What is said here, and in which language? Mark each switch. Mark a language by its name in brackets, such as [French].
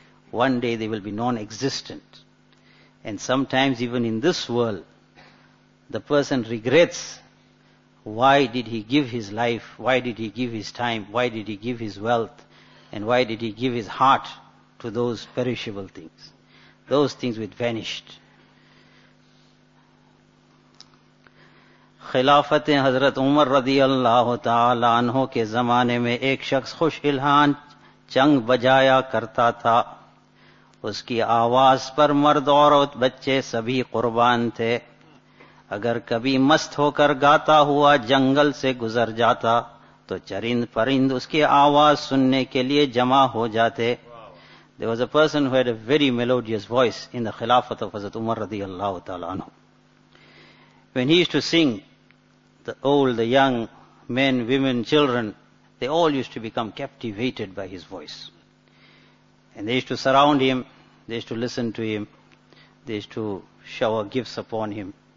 [English] One day they will be non-existent. And sometimes even in this world, the person regrets, why did he give his life, why did he give his time, why did he give his wealth, and why did he give his heart to those perishable things, those things which vanished. [Urdu] خلافت حضرت عمر رضی اللہ تعالی عنہ کے زمانے میں ایک شخص خوش الحان چنگ بجایا کرتا تھا اس کی آواز پر مرد اور بچے سبھی قربان تھے اگر کبھی مست ہو کر گاتا ہوا جنگل سے گزر جاتا تو چرند پرند اس کی آواز سننے کے لیے جمع ہو جاتے. [English] There was a person who had a very melodious voice in the Khilafat of Hazrat Umar رضی اللہ تعالی عنہ. When he used to sing, the old, the young, men, women, children, they all used to become captivated by his voice. And they used to surround him, they used to listen to him, they used to shower gifts upon him.